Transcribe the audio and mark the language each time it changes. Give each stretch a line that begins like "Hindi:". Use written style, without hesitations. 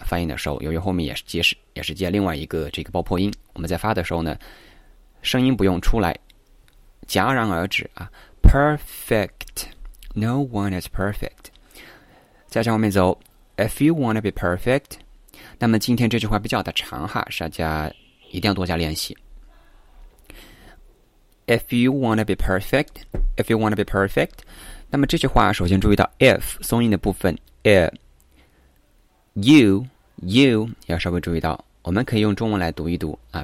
Chinese: 发音的时候，由于后面也是接另外一个这个爆破音，我们在发的时候呢，声音不用出来，戛然而止啊。
English: Perfect，No one is perfect。
Chinese: 再向后面走
English: ，If you want to be perfect。
Chinese: 那么今天这句话比较的长哈，大家一定要多加练习。
English: If you want to be perfect, if you want to be perfect.
Chinese: 那么这句话首先注意到 if 松音的部分
English: if you
Chinese: 要稍微注意到，我们可以用中文来读一读啊。